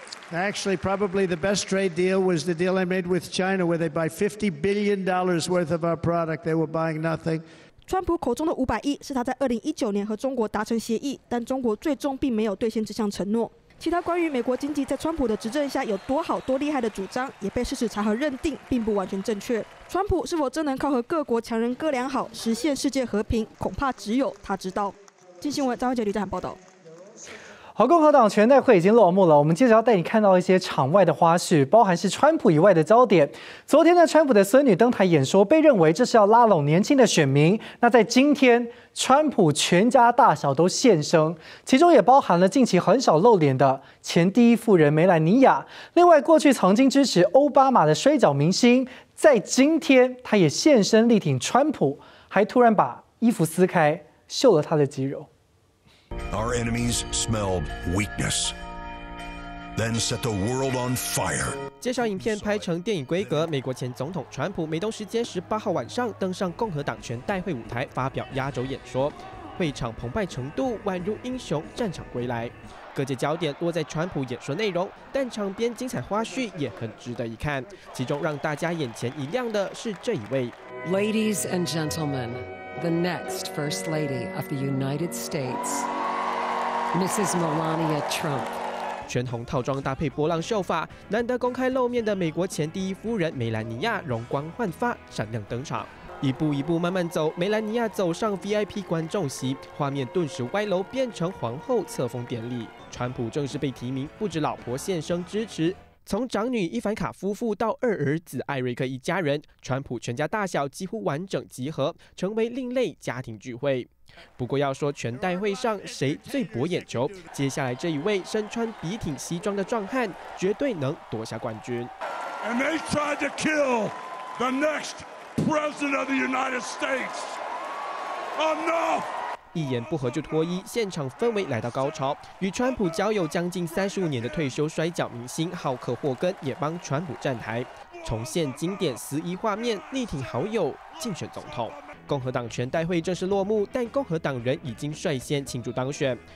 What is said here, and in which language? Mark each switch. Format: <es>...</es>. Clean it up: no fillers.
<en>Actually, probably the best trade deal was the deal I made with China, where they buy $50 billion worth of our product. They were buying nothing.</en> <zh>川普口中的500亿是他在2019年和中国达成协议，但中国最终并没有兑现这项承诺。其他关于美国经济在川普的执政下有多好多厉害的主张，也被事实查核认定并不完全正确。川普是否真能靠和各国强人哥俩好实现世界和平，恐怕只有他知道。金新闻张文杰、吕振涵报道。好，共和党全代会已经落幕了，我们接着要带你看到一些场外的花絮，包含是川普以外的焦点。昨天呢，川普的孙女登台演说，被认为这是要拉拢年轻的选民。那在今天，川普全家大小都现身，其中也包含了近期很少露脸的前第一夫人梅兰妮亚。另外，过去曾经支持奥巴马的摔角明星，在今天他也现身力挺川普，还突然把衣服撕开，秀了他的肌肉。</zh> <en>Our enemies smelled weakness, then set the world on fire.</en> <zh>介绍影片拍成电影规格，美国前总统川普美东时间18号晚上登上共和党全代会舞台发表压轴演说，会场澎湃程度宛如英雄战场归来。各界焦点落在川普演说内容，但场边精彩花絮也很值得一看。其中让大家眼前一亮的是这一位</zh> <en>，Ladies and gentlemen, the next First Lady of the United States, Mrs. Melania Trump。</en> <zh>全红套装搭配波浪秀发，难得公开露面的美国前第一夫人梅兰妮亚容光焕发，闪亮登场。一步一步慢慢走，梅兰妮亚走上 VIP 观众席，画面顿时歪楼，变成皇后册封典礼。川普正式被提名，不止老婆现身支持，从长女伊凡卡夫妇到二儿子艾瑞克一家人，川普全家大小几乎完整集合，成为另类家庭聚会。不过要说全代会上谁最博眼球，接下来这一位身穿笔挺西装的壮汉绝对能夺下冠军。</zh> <en>And they tried to kill the next president of the United States. Enough!</en> <zh>一言不合就脱衣，现场氛围来到高潮。与川普交友将近35年的退休摔角明星浩克霍根也帮川普站台，重现经典撕衣画面，力挺好友竞选总统。共和党全代会正式落幕，但共和党人已经率先庆祝当选。</zh>